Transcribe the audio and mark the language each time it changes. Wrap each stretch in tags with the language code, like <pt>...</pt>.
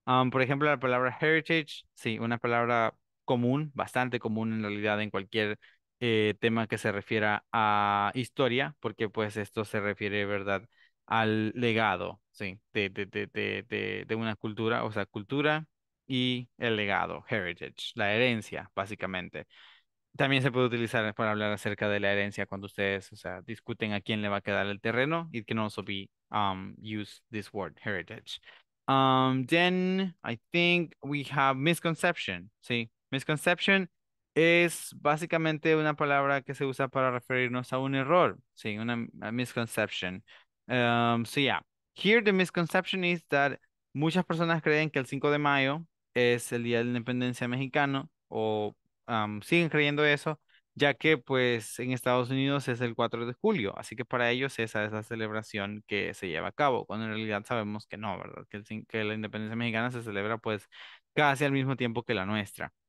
<es>Por ejemplo, la palabra heritage. Sí, una palabra común, bastante común en realidad en cualquier tema que se refiera a historia, porque pues esto se refiere, ¿verdad?, al legado, sí, de una cultura, o sea, cultura y el legado, heritage, la herencia, básicamente. También se puede utilizar para hablar acerca de la herencia cuando ustedes, o sea, discuten a quién le va a quedar el terreno.</es> <en>It can also be use this word, heritage. Then I think we have misconception, sí, misconception.</en> <es>Es básicamente una palabra que se usa para referirnos a un error, sí, una misconception.</es> <en>Here the misconception is that</en> <es>muchas personas creen que el 5 de mayo es el día de la independencia mexicano, o siguen creyendo eso, ya que pues en Estados Unidos es el 4 de julio, así que para ellos esa es la celebración que se lleva a cabo, cuando en realidad sabemos que no, ¿verdad?, que la independencia mexicana se celebra pues casi al mismo tiempo que la nuestra.</es>